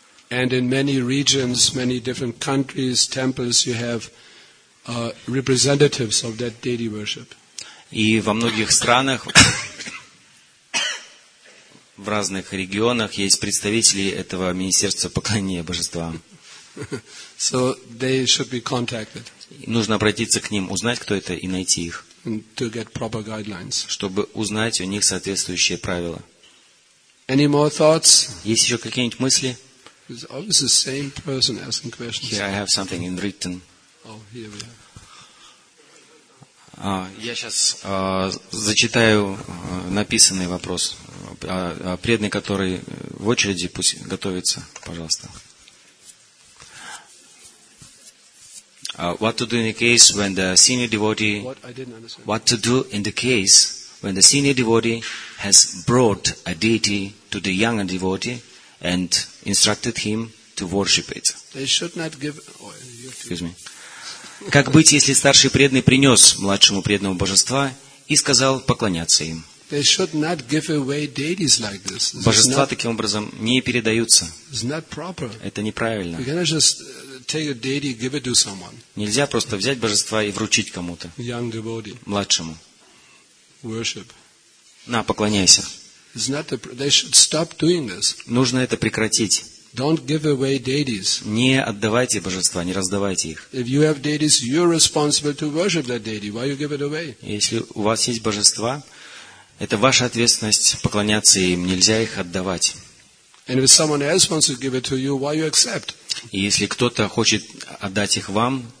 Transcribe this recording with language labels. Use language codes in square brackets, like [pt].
[en] And in many regions, many different countries, temples, you have representatives of that deity worship. [ru] И во многих странах, в разных регионах, есть представители этого Министерства поклонения божествам. [en] So they should be contacted. [ru] Нужно обратиться к ним, узнать, кто это, и найти их. [en] To get proper guidelines. [ru] Чтобы узнать у них соответствующие правила. [en] Any more thoughts? [ru] Есть еще какие-нибудь мысли? [en] It's always the same person asking questions. Here I have something in written. Oh, here we are. [ru] Я сейчас зачитаю написанный вопрос. Преданный, который в очереди, пусть готовится, пожалуйста. [en] What to do in the case when the senior devotee has brought a deity to the younger devotee and instructed him to worship it? They should not give. Excuse me. [ru] Как быть, если старший преданный принес младшему преданному божества и сказал поклоняться им? [en] They should not give away deities like this. [ru] Божества таким образом не передаются. [en] It's not proper. [ru] Это неправильно. [en] You cannot just take a deity, give it to someone. [ru] Нельзя просто взять божества и вручить кому-то. [en] Young devotee. [ru] Младшему. [en] Worship. [ru] На, поклоняйся. [en] It's not the. They should stop doing this. [ru] Нужно это прекратить. [en] Don't give away deities. [ru] Не отдавайте божества, не раздавайте их. [en] If you have deities, you're responsible to worship that deity. Why you give it away? [ru] Если у вас есть божества, это ваша ответственность поклоняться им, нельзя их отдавать. И если кто-то хочет отдать их вам,